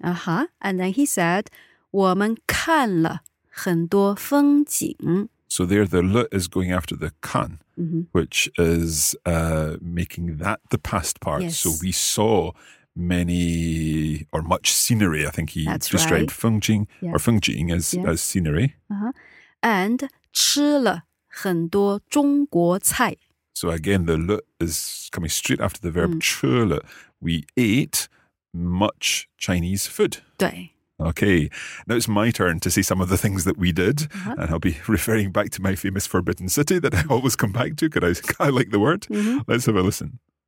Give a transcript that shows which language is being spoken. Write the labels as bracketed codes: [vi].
[en] Uh-huh, and then he said, [zh] 我们看了很多风景. [en] So there the le is going after the kan, which is making that the past part. Yes. So we saw many or much scenery, I think he described fengjing or fengjing as scenery. Uh-huh. And [zh] 吃了很多中国菜. [en] So again, the le is coming straight after the verb 吃了. We ate much Chinese food. [zh] 对. [en] Okay, now it's my turn to say some of the things that we did. Uh-huh. And I'll be referring back to my famous Forbidden City that I always come back to because I like the word. Mm-hmm. Let's have a listen.